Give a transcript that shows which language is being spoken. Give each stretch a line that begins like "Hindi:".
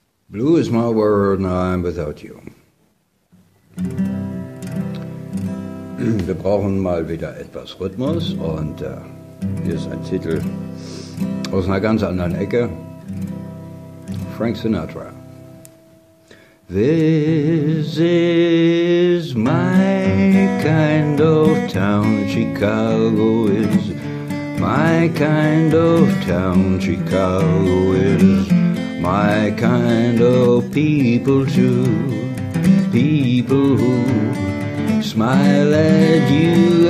English: Blue is my world, now I'm without you.
German: Wir brauchen mal wieder etwas Rhythmus und hier ist ein Titel aus einer ganz anderen Ecke. Frank Sinatra.
English: This is my kind of town, Chicago is my kind of town, Chicago is my kind of people too, people who smile at you.